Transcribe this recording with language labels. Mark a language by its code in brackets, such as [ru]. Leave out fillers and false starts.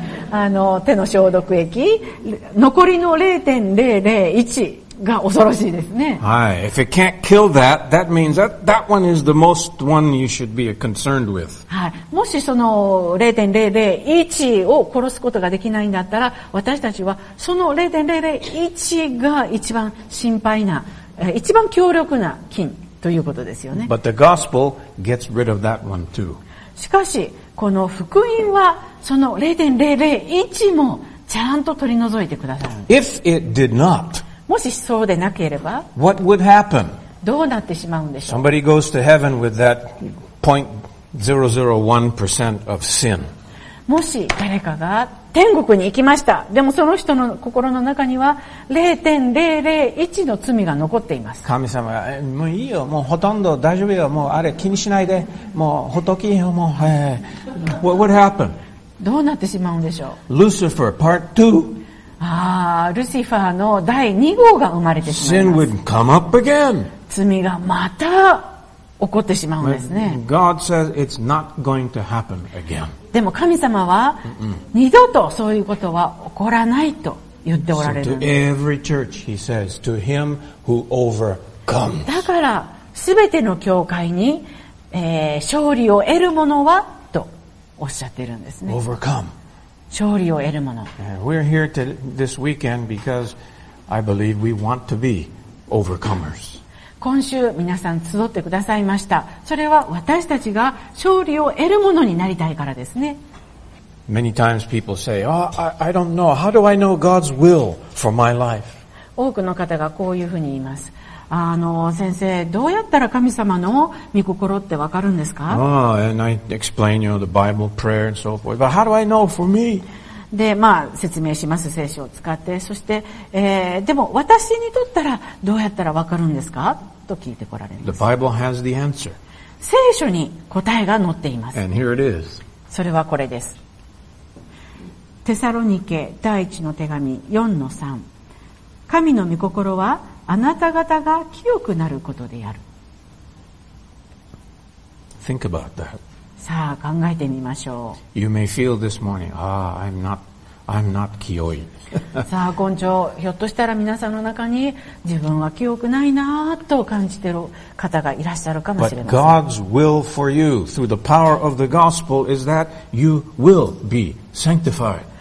[ja] はい、手の消毒液、残りの 0.001。が恐ろしいですね。はい。 [en] If it can't kill that, that means that one is the most one you should be concerned with. [ja] はい。もしその 0.001 を殺すことができないんだったら、私たちはその 0.001 が一番心配な、一番強力な菌ということですよね。 [en] But the gospel gets rid of that one too. [ja] しかし、この福音はその 0.001 もちゃんと取り除いてくださる。 [en] If it did not, [ja] もしそうでなければ、 [en] What would happen? [ja] どうなってしまうんでしょう。 [en] Somebody goes to heaven with that 0.001% of sin. [ja] もし誰かが天国に行きました。でもその人の心の中には 0.001 の罪が残っています。神様、もういいよ、もうほとんど大丈夫よ、もうあれ気にしないで、もう仏よ、もう、 [en] What would happen? [ja] どうなってしまうんでしょう。 [en] Lucifer Part 2. [ja] ルシファーの第2号が生まれてしまいます。 [en] Sin would come up again. [ja] 罪がまた起こってしまうんですね。 [en] God says it's not going to happen again. [ja] でも神様は二度とそういうことは起こらないと言っておられるんです。 [en] So、to every church, he says, to him who overcomes. [ja] だから全ての教会に、勝利を得る者はとおっしゃってるんですね。 [en] Overcome. [ja] 勝利を得るもの。 [en] We're here to this weekend because I believe we want to be overcomers. [ja] 今週皆さん集ってくださいました。それは私たちが勝利を得るものになりたいからですね。 [en] Many times people say, "Oh, I don't know. How do I know God's will for my life?" [ja] 多くの方がこういうふうに言います。先生、どうやったら神様の御心ってわかるんですか？ [en] And I explain, you know, the Bible prayer and so forth. But how do I know for me? [ja] で、まあ、説明します、聖書を使って。そして、でも私にとったらどうやったらわかるんですか？と聞いてこられます。 [en] The Bible has the answer. [ja] 聖書に答えが載っています。 [en] And here it is. [ja] それはこれです。テサロニケ第一の手紙 4-3。神の御心は、あなた方が清くなることである。 [en] Think about that. [ja] さあ考えてみましょう。 [en] You may feel this morning, I'm not kiyoi. [ja] さあ今朝ひょっとしたら皆さんの中に自分は清くないなと感じてる方がいらっしゃるかもしれません。 [en] But God's will for you through the power of the gospel is that you will be sanctified.